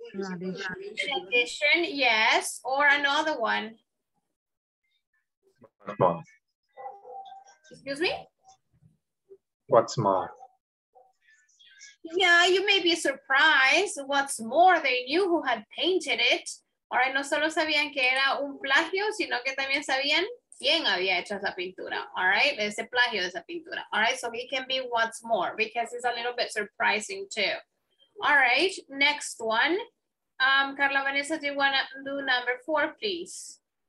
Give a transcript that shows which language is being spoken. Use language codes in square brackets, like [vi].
[en] In addition, yes. Or another one. Excuse me? What's more? Yeah, you may be surprised. What's more, they knew who had painted it. [es] Ahora no solo sabían que era un plagio, sino que también sabían quién había hecho esa pintura. [en] All right, [es] ese plagio de esa pintura. [en] All right, so it can be what's more because it's a little bit surprising too. All right, next one. Carla Vanessa, do you want to do number four, please?